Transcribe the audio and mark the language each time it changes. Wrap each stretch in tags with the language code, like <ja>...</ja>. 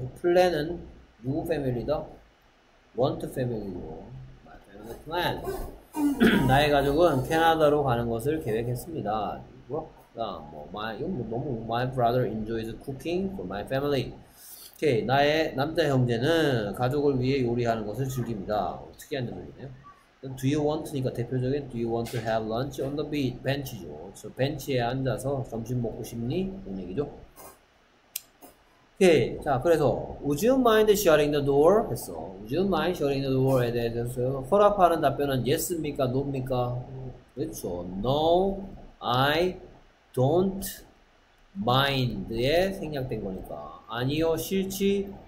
<ko>플랜은 누구 패밀리다? 원트 패밀리고 마이 패밀리 플랜 나의 가족은 캐나다로 가는 것을 계획했습니다. 뭐 마이 이건 뭐 너무</ko> <en>마이 브라더 인조이즈 쿠킹 포 마이 패밀리.</en> <ko>오케이 나의 남자 형제는 가족을 위해 요리하는 것을 즐깁니다. 특이한 내용이네요.</ko> <en>Do you want니까</en> <ko>대표적인</ko> <en>Do you want to have lunch on the beach?</en> <ko>벤치죠. 벤치에 앉아서 점심 먹고 싶니? 이런 얘기죠. 오케이. 자, 그래서</ko> <en>Would you mind shutting the door?</en> <ko>했어. Would you mind shutting the door? 에 대해서 허락하는 답변은 Yes입니까? No입니까? 그렇죠.</ko> <en>No, I don't mind</en> <ko>에 생략된 거니까 아니요, 싫지.</ko>